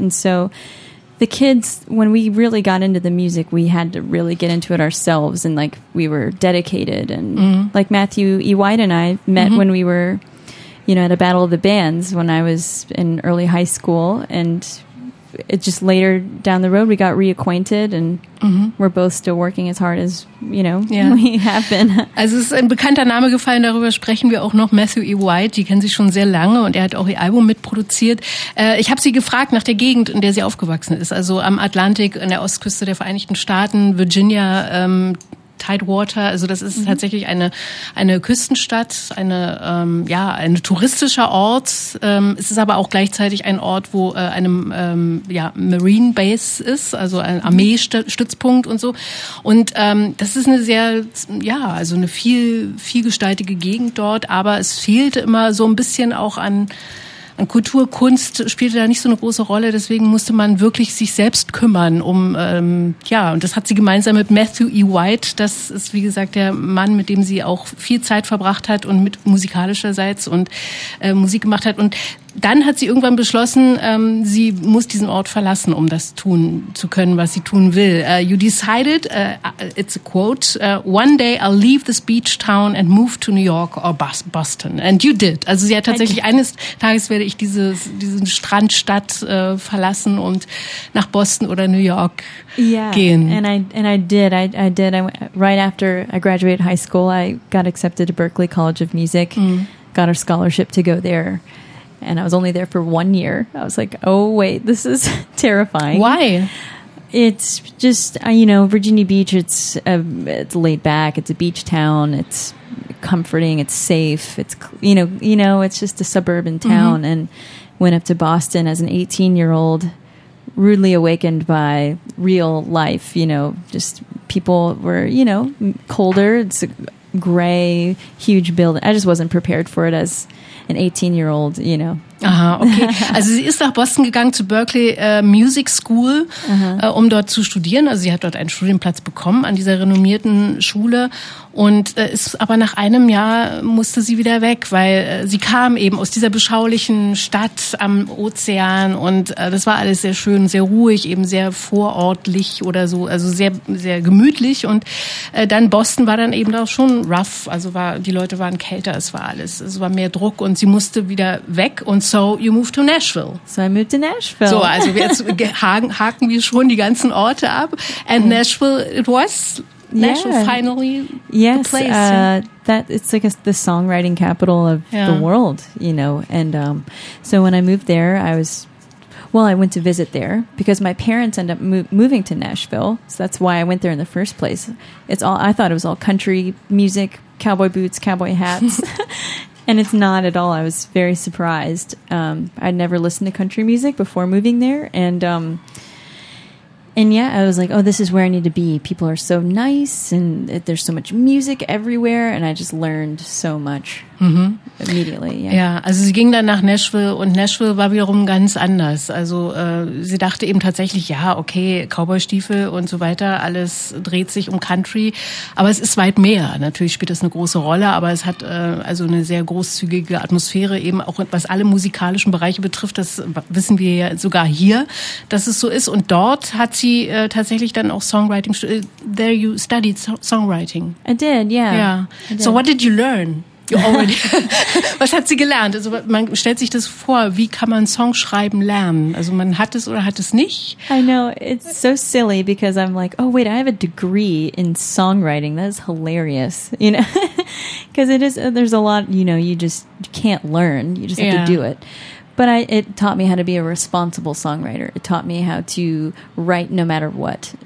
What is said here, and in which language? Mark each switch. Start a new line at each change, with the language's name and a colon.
English: And so the kids, when we really got into the music, we had to really get into it ourselves and like we were dedicated. And like Matthew E. White and I met when we were, you know, at a battle of the bands when I was in early high school. And it just later down the road, we got reacquainted and we're both still working as hard as, you know, we have been.
German: Also es ist ein bekannter Name gefallen, darüber sprechen wir auch noch, Matthew E. White, die kennen Sie schon sehr lange und er hat auch ihr Album mitproduziert. Ich habe sie gefragt nach der Gegend, in der sie aufgewachsen ist, also am Atlantik, an der Ostküste der Vereinigten Staaten, Virginia, Tidewater, also das ist tatsächlich eine Küstenstadt, ein touristischer Ort. Es ist aber auch gleichzeitig ein Ort, wo eine Marine Base ist, also ein Armeestützpunkt und so. Und das ist eine sehr, eine vielgestaltige Gegend dort, aber es fehlt immer so ein bisschen auch an Kultur, Kunst spielte da nicht so eine große Rolle, deswegen musste man wirklich sich selbst kümmern um, und das hat sie gemeinsam mit Matthew E. White, das ist wie gesagt der Mann, mit dem sie auch viel Zeit verbracht hat und mit musikalischerseits und Musik gemacht hat und dann hat sie irgendwann beschlossen, sie muss diesen Ort verlassen, um das tun zu können, was sie tun will.
English: You decided, it's a quote, one day I'll leave this beach town and move to New York or Boston. And you did.
German: Also sie hat tatsächlich, eines Tages werde ich diese Strandstadt verlassen und nach Boston oder New York gehen.
English: And I did. Right after I graduated high school, I got accepted to Berklee College of Music, got a scholarship to go there. And I was only there for 1 year. I was like, oh, wait, this is terrifying. Why? It's just, you know, Virginia Beach, it's laid back. It's a beach town. It's comforting. It's safe. It's, you know, it's just a suburban town. Mm-hmm. And went up to Boston as an 18-year-old, rudely awakened by real life. You know, just people were, you know, colder. It's a gray, huge building. I just wasn't prepared for it as an 18-year-old, you know, Aha, okay.
German: Also sie ist nach Boston gegangen zu Berklee Music School, um dort zu studieren. Also sie hat dort einen Studienplatz bekommen an dieser renommierten Schule. Und ist aber nach einem Jahr musste sie wieder weg, weil sie kam eben aus dieser beschaulichen Stadt am Ozean. Und das war alles sehr schön, sehr ruhig, eben sehr vorortlich oder so, also sehr, sehr gemütlich. Und dann Boston war dann eben auch schon rough. Also war die Leute waren kälter, es war alles, es war mehr Druck und sie musste wieder weg. Und
English: so you moved to Nashville. So I moved to Nashville.
German: So, also jetzt haken wir schon die ganzen Orte ab.
English: And Nashville, it was... Nashville, finally, the place. Yes, it's like the songwriting capital of the world, you know. And so when I moved there, I went to visit there because my parents ended up moving to Nashville. So that's why I went there in the first place. I thought it was all country music, cowboy boots, cowboy hats. And it's not at all. I was very surprised. I'd never listened to country music before moving there. And yeah, I was like, oh, this is where I need to be. People are so nice and there's so much music everywhere. And I just learned so much immediately. Yeah.
German: Ja, also sie ging dann nach Nashville und Nashville war wiederum ganz anders. Also sie dachte eben tatsächlich, ja, okay, Cowboy-Stiefel und so weiter, alles dreht sich um Country. Aber es ist weit mehr. Natürlich spielt das eine große Rolle, aber es hat also eine sehr großzügige Atmosphäre, eben auch was alle musikalischen Bereiche betrifft. Das wissen wir ja sogar hier, dass es so ist. Und dort hat sie tatsächlich dann auch Songwriting
English: there you studied songwriting. I did, yeah. Yeah. Did. So what did you learn? Already,
German: was hat sie gelernt? Also man stellt sich das vor, wie kann man Songschreiben lernen? Also man hat es oder hat es nicht?
English: I know, it's so silly because I'm like, oh wait, I have a degree in songwriting. That's hilarious, you know? Because it is, there's a lot, you know, you can't learn. You just have to do it. But it taught me how to be a responsible songwriter. It taught me how to write no matter what.